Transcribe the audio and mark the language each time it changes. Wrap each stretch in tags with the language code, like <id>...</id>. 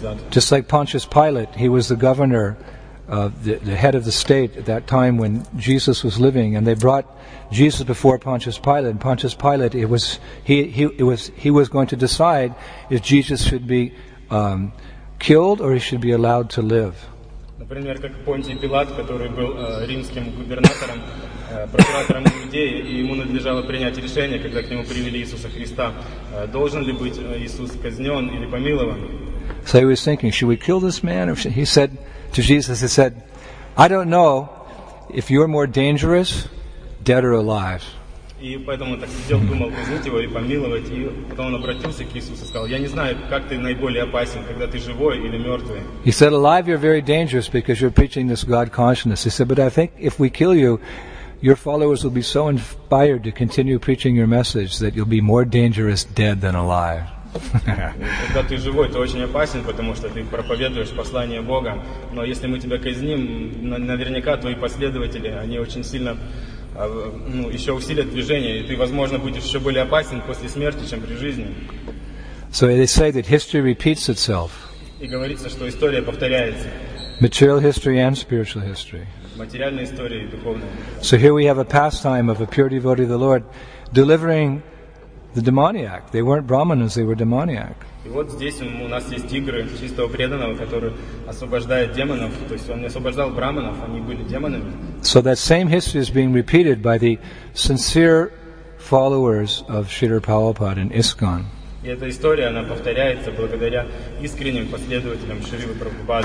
<en>Just like Pontius Pilate, he was the governor, the head of the state at that time when Jesus was living, and they brought Jesus before Pontius Pilate. And Pontius Pilate, he was going to decide if Jesus should be killed or he should be allowed to live.</en> <ru>Например, как Понтий Пилат, который был римским губернатором, прокуратором иудеи, и ему надлежало принять решение, когда к нему привели Иисуса Христа, должен ли быть Иисус казнен или помилован?</ru> <en>So he was thinking, should we kill this man? He said to Jesus, he said, I don't know if you're more dangerous, dead or alive.</en> <ru>И поэтому так сидел, думал, казнить его или помиловать, и потом он обратился к Иисусу и сказал, я не знаю, как ты наиболее опасен, когда ты живой или мертвый.</ru> <en>He said, alive you're very dangerous because you're preaching this God consciousness. He said, but I think if we kill you, your followers will be so inspired to continue preaching your message that you'll be more dangerous dead than alive.</en> <ru>Когда ты живой, ты очень опасен, потому что ты проповедуешь послание Бога. Но если мы тебя казним, наверняка твои последователи, они очень сильно еще усилят движение, и ты, возможно, будешь еще более опасен после смерти, чем при жизни.</ru> <en>So they say that history repeats itself.</en> <ru>И говорится, что история повторяется.</ru> <en>Material history and spiritual history.</en> <ru>Материальная история и духовная.</ru> <en>So here we have a pastime of a pure devotee of the Lord delivering the demoniac. They weren't brahmanas, they were demoniac.</en> <ru>И вот здесь у нас есть игры чистого преданного, который освобождает демонов. То есть он не освобождал брахманов, они были демонами.</ru> <en>So that same history is being repeated by the sincere followers of Śrīla Prabhupāda in ISKCON.</en> <ru>И эта история, она повторяется благодаря искренним последователям Шрилы Прабхупады.</ru>